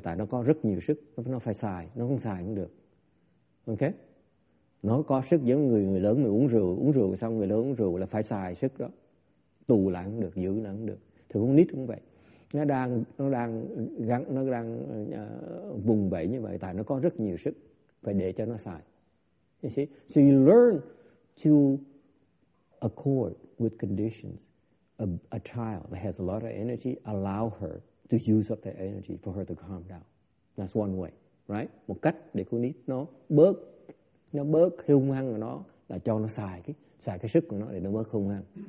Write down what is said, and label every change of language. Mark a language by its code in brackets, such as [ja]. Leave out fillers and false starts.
[vi] Tại nó có rất nhiều sức, nó phải xài, nó không xài cũng được. Okay, nó có sức giống người lớn mình uống rượu xong người lớn uống rượu là phải xài sức đó, tù lại không được, giữ lại không được. Thì con nít cũng vậy, nó đang vùng vẫy như vậy tại nó có rất nhiều sức, phải để cho nó xài. [en] You see, so you learn to accord with conditions. A child that has a lot of energy, allow her to use up the energy for her to calm down. That's one way. Right? [vi] Một cách để con nít nó bớt hung hăng của nó là cho nó xài cái sức của nó để nó bớt hung hăng.